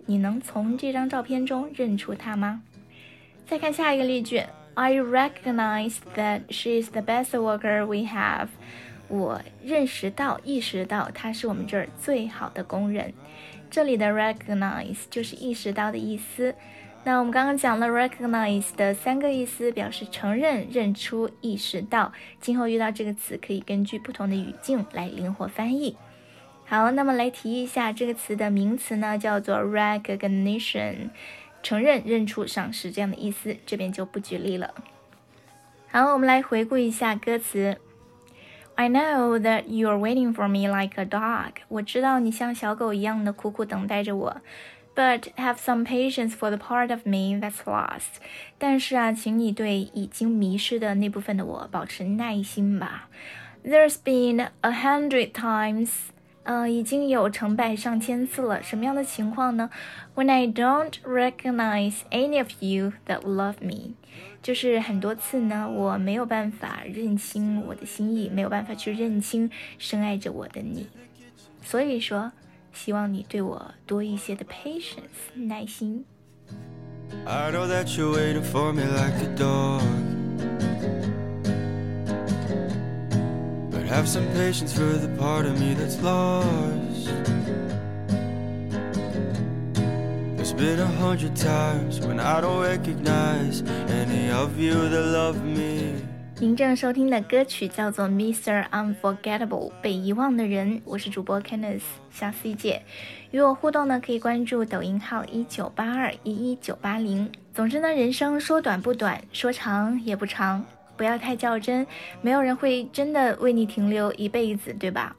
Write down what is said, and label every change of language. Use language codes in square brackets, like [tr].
[zh] 你能从这张照片中认出她吗？再看下一个例句 [en] I recognize that she is the best worker we have. [zh] 我认识到、意识到她是我们这儿最好的工人。这里的 recognize 就是意识到的意思。那我们刚刚讲了 recognize 的三个意思，表示承认、认出、意识到。今后遇到这个词，可以根据不同的语境来灵活翻译。好，那么来提一下这个词的名词呢，叫做 recognition。承认、认出、赏识这样的意思，这边就不举例了。好，我们来回顾一下歌词。 [en] I know that you're waiting for me like a dog. [zh] 我知道你像小狗一样的苦苦等待着我。 [en] But have some patience for the part of me that's lost. [zh] 但是啊，请你对已经迷失的那部分的我保持耐心吧。 [en] There's been 100 times... [zh] 已经有成百上千次了，什么样的情况呢？ [en] When I don't recognize any of you that love me， [zh] 就是很多次呢，我没有办法认清我的心意，没有办法去认清深爱着我的你。所以说，希望你对我多一些的 patience， 耐心。 [en] I know that you're waiting for me like a dog. Have some patience for the part of me that's lost. There's been 100 times when I don't recognize any of you that love me. [zh] 您正收听的歌曲叫做 Mr. Unforgettable, 被遗忘的人。我是主播 Kenneth, 下次见。与我互动呢，可以关注抖音号19821190。总之呢，人生说短不短，说长也不长。不要太较真，没有人会真的为你停留一辈子，对吧？